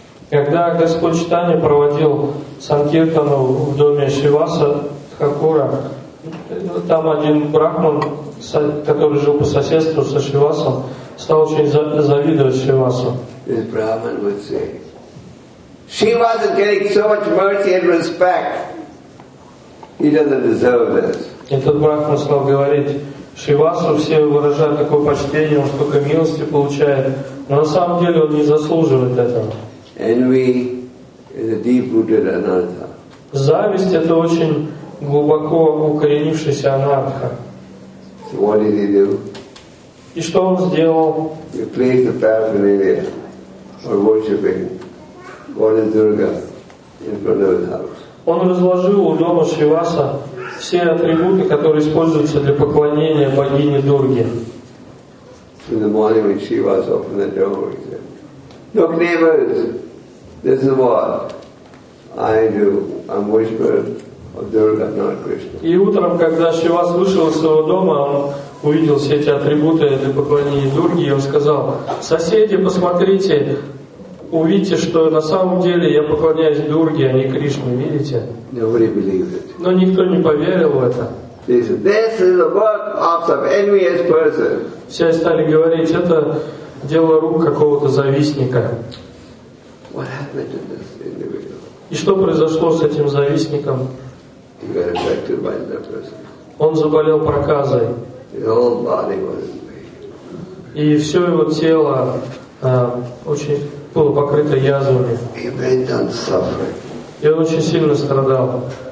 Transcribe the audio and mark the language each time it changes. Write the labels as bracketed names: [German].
[Russian] Когда Господь Чайтанья проводил Санкиртану в доме Шриваса Тхакура, там один брахман, который жил по соседству со Шривасом, стал очень завидовать Шривасу. [English] This Brahmin would say, Shiva is getting so much mercy and respect. He doesn't deserve this. [Russian] Этот брахман стал говорить: Шривасу все выражают такое почтение, он столько милости получает, но на самом деле он не заслуживает этого. [English] Envy is a deep-rooted anartha. [Russian] Зависть — это очень глубоко укоренившийся анартха. [English] So what did he do? [Russian] И что он сделал? [English] He placed the paraphernalia for worshiping Goddess Durga in front of his house. [Russian] Он разложил у дома Шриваса все атрибуты, которые используются для поклонения богине Дурге. [English] In the morning when Shivas opened the door, he said, "Look, neighbors, this is what I do. I'm worshiper of Durga, not Krishna." [Russian] И утром, когда Шривас вышел из своего дома, он увидел все эти атрибуты для поклонения Дурге, и он сказал: «Соседи, посмотрите, увидите, что на самом деле я поклоняюсь Дурге, а не Кришне, видите?» [English] Nobody believed it. [Russian] Но никто не поверил в это. [English] They said, "This is the work of some envious person." [Russian] Все стали говорить: «Это дело рук какого-то завистника». [English] What happened to this individual? [Russian] И что произошло с этим завистником? [English] He got affected by the person. [Russian] Он заболел проказой. [English] His whole body was in pain. [Russian] И все его тело очень было покрыто язвами. [English] He went on suffering. [Russian] И он очень сильно страдал.